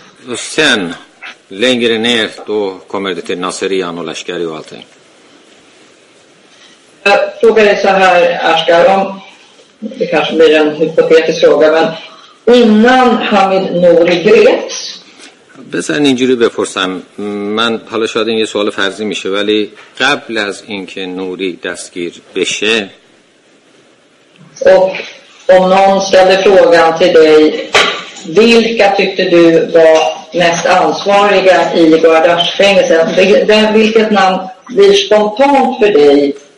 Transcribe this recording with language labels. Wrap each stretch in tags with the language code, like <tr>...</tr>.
<sv>Och sen, längre ner, då kommer det till Nasserian och Lashkari och allting. Jag frågar dig så här, Ashgar, om det kanske blir en hypotetisk fråga, men innan Hamid Nouri greps.</sv> <fa>بذار اینجوری بپرسم، من حالا شاید این یه سوال فرضی میشه، ولی قبل از اینکه نوری دستگیر بشه</fa> <sv>och om någon ställde frågan till dig, vilka tyckte du var mest ansvariga i Gardas fängelset, den vilket namn blir spontant för dig?</sv>